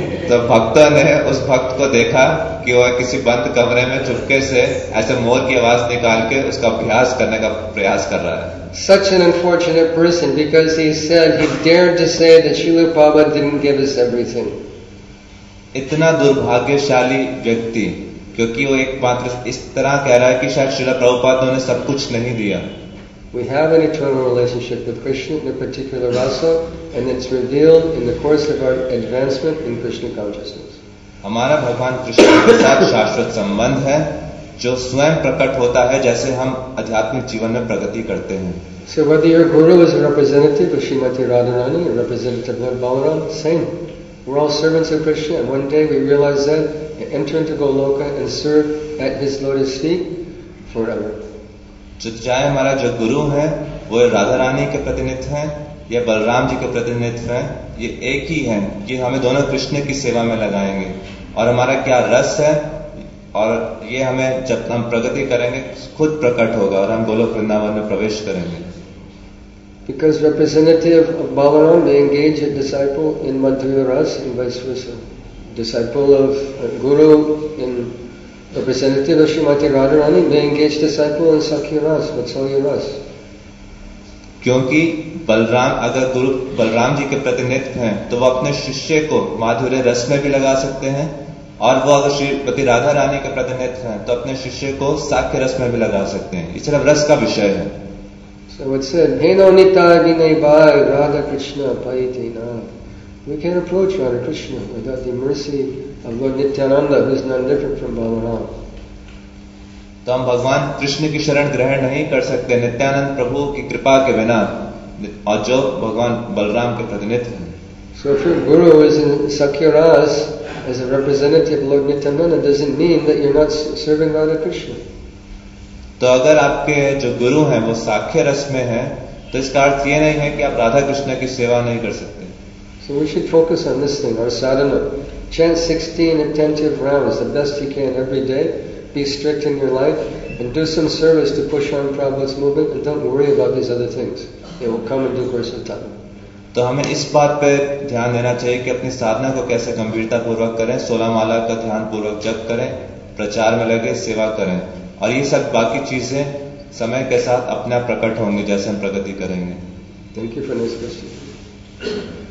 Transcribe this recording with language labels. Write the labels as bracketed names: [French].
[Hindi] तो भक्त ने उस भक्त को देखा कि वह किसी बंद कमरे में चुपके से ऐसे मोर की आवाज निकाल के उसका अभ्यास करने का प्रयास कर रहा है. [English] Such an unfortunate person because he said he dared to say that Srila Prabhupada didn't give us everything. [Hindi] इतना दुर्भाग्यशाली व्यक्ति क्योंकि वो एकमात्र इस तरह कह रहा है कि शायद श्रील प्रभुपाद ने सब कुछ नहीं दिया. [English] We have an eternal relationship with Krishna in a particular rasa, and it's revealed in the course of our advancement in Krishna consciousness. [Hindi] हमारा भगवान कृष्ण के साथ शाश्वत संबंध है, जो स्वयं प्रकट होता है जैसे हम आध्यात्मिक जीवन में प्रगति करते हैं. [English] So whether your guru is a representative of Srimati Radharani, a representative of Balaram, same. We're all servants of Krishna, and one day we realize that and enter into Goloka and serve at His lotus feet forever. [Hindi] चाहे हमारा जो गुरु है वो राधा रानी के प्रतिनिधि हैं या बलराम जी के प्रतिनिधि हैं, ये एक ही हैं कि हमें दोनों कृष्ण की सेवा में लगाएंगे और हमारा क्या रस है और ये हमें जब हम प्रगति करेंगे खुद प्रकट होगा और हम गोलोक वृंदावन में प्रवेश करेंगे. [English] Because representative of Balaram, they engage a disciple in Madhurya Ras and vice versa. Disciple of a guru in representative of Srimati Radharani, they engage disciple in Sakya Ras, Vatsalya Ras. [Hindi] क्योंकि बलराम अगर गुरु बलराम जी के प्रतिनिधि हैं तो वो अपने शिष्य को माधुर्य रस में भी लगा सकते हैं और वो अगर श्रीमती राधा रानी के प्रतिनिधि हैं तो अपने शिष्य को साख्य रस में भी लगा सकते हैं. इस तरह रस का विषय है. [English] So it said, [Bangla] Heno Nitagine Bhai Radha Krishna Paite Nath. [English] We can approach Radha Krishna without the mercy of Lord Nityananda, who is none different from Balaram. [Hindi] तो हम भगवान कृष्ण की शरण ग्रहण नहीं कर सकते नित्यानंद प्रभु की कृपा के बिना और जो भगवान बलराम के प्रतिनिधि हैं. [English] So if your guru is in Sakya Ras as a representative of Lord Nityananda, doesn't mean that you're not serving Radha Krishna. [Hindi] तो अगर आपके जो गुरु हैं वो साख्य रस में हैं, तो इसका अर्थ ये नहीं है कि आप राधा कृष्ण की सेवा नहीं कर सकते. [English] So we should focus on this thing, our sadhana. Chant 16 attentive rounds, the best you can every day. Be strict in your life and do some service to push on Prabhupada's movement and don't worry about these other things. It will come in due course of time. [Hindi] तो हमें इस बात पर ध्यान देना चाहिए कि अपनी साधना को कैसे गंभीरता पूर्वक करें, 16 माला का ध्यान पूर्वक जप करें, प्रचार में लगे, सेवा करें और ये सब बाकी चीजें समय के साथ अपने आप प्रकट होंगी जैसे हम प्रगति करेंगे. [English] Thank you for this question.